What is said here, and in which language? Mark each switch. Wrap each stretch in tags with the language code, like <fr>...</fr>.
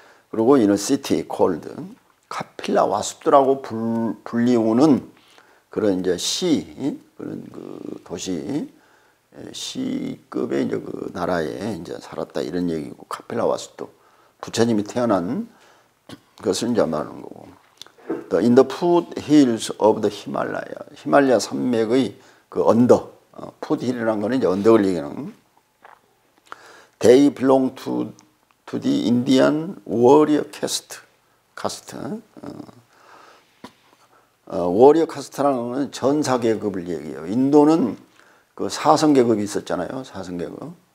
<ko>그리고 이런 시티 콜드 카필라 와스트라고 불리우는 그런 이제 시 그런 그 도시 시급의 이제 그 나라에 이제 살았다 이런 얘기고 카필라 와스트 부처님이 태어난 것을 이제 말하는 거고.</ko> <en>In the foothills of the Himalaya.</en> <ko>히말라야 산맥의 그 언덕. Foothill이라는 거는 이제 언덕을 얘기하는.</ko> <en>They belong to the Indian warrior caste. Caste.</en> <ko>Warrior caste라는 거는 전사계급을 얘기해요. 인도는 그 사성계급이 있었잖아요. 사성계급.</ko>